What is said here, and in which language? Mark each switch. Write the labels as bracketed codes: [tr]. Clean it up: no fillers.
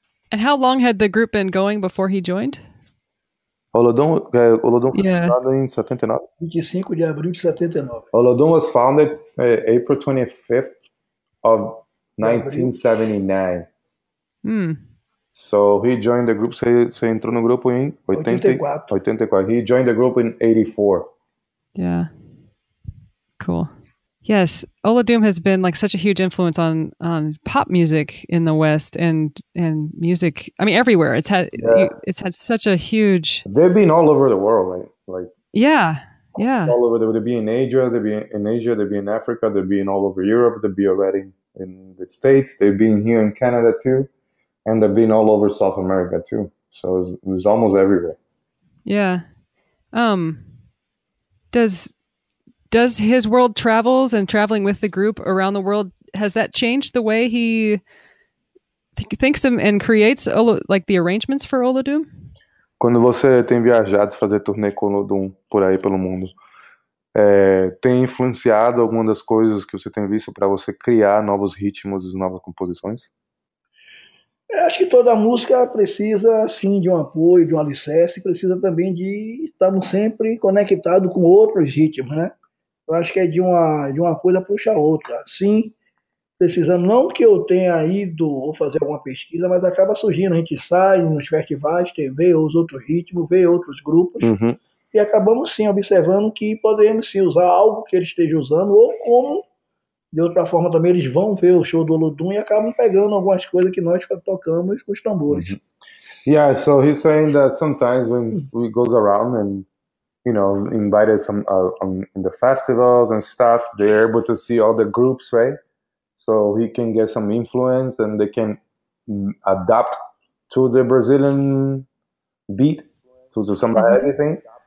[en] And how long had the group been going before he joined? Olodum was founded in 79. [pt] 25 de abril de 79. [en] Olodum was founded April 25th of 1979. Hmm. So he joined the group, [pt] você entrou no grupo em 84. [en] He joined the group in 84. Yeah. Cool. Yes, Olodum has been like such a huge influence on pop music in the West and music, I mean everywhere. It's had such a huge... They've been all over the world, right? Like, yeah. Yeah. All over the world. They've been in Asia, they've been in Africa, they've been all over Europe, they've been already in the States, they've been here in Canada too. And they've been all over South America too. So it was almost everywhere. Yeah. Does his world travels and traveling with the group around the world, has that changed the way he thinks and creates like the arrangements for Olodum? [pt] Quando você tem viajado fazer turnê com Olodum por aí pelo mundo, tem influenciado alguma das coisas que você tem visto para você criar novos ritmos e novas composições? Acho que toda música precisa, sim, de um apoio, de um alicerce, precisa também de estarmos sempre conectados com outros ritmos, né? Eu acho que é de uma coisa puxa a outra. Sim, precisamos, não que eu tenha ido ou fazer alguma pesquisa, mas acaba surgindo, a gente sai nos festivais, TV, os outros ritmos, vê outros grupos, uhum. E acabamos, sim, observando que podemos, sim, usar algo que ele esteja usando ou como... De outra forma também, eles vão ver o show do Olodum e acabam pegando algumas coisas que nós tocamos com os tambores. [en] Yeah, so he's saying that sometimes when we goes around and, you know, invited some in the festivals and stuff, they're able to see all the groups, right? So he can get some influence and they can adapt to the Brazilian beat, to the samba, everything.